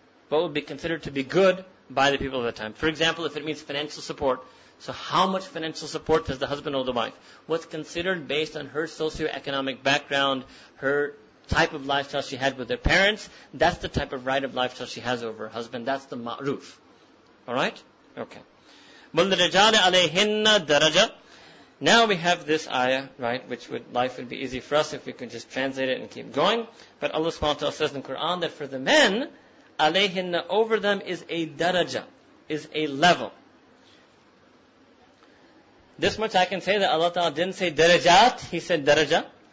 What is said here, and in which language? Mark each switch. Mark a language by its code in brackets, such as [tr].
[en] What would be considered to be good by the people of the time? For example, if it means financial support, so how much financial support does the husband owe the wife? What's considered based on her socioeconomic background, her type of lifestyle she had with her parents, that's the type of right of lifestyle she has over her husband. That's the ma'ruf. Alright? Okay. [ar] وَالْرِجَالِ عَلَيْهِنَّ daraja. [en] Now we have this ayah, right, life would be easy for us if we could just translate it and keep going. But Allah subhanahu wa ta'ala says in the Quran that for the men, alayhinna, over them is a daraja, is a level. This much I can say, that Allah Ta'ala didn't say darajat, He said daraja.